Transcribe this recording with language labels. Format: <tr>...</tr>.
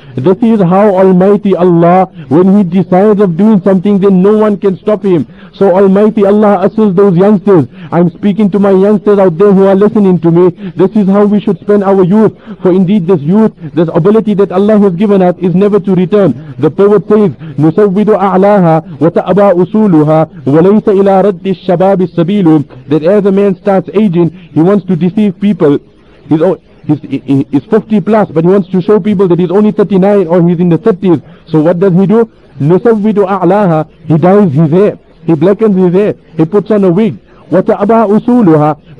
<en>This is how Almighty Allah, when he decides of doing something, then no one can stop him. So Almighty Allah assists those youngsters. I'm speaking to my youngsters out there who are listening to me. This is how we should spend our youth. For indeed this youth, this ability that Allah has given us is never to return. The poet says,</en> <ar>نُسَوِّدُ أَعْلَاهَا وَتَأْبَى أُسُولُهَا وَلَيْسَ إِلَىٰ رَدِّ الشَّبَابِ السَّبِيلُ.</ar> <en>That as a man starts aging, he wants to deceive people. He's 50 plus, but he wants to show people that he's only 39 or he's in the 30s. So what does he do?</en> <ar>نُسَوِّدُ أَعْلَاهَا.</ar> <en>He dyes his hair. He blackens his hair. He puts on a wig.</en> <ar>وَتَأْبَى أُسُولُهَا.</ar>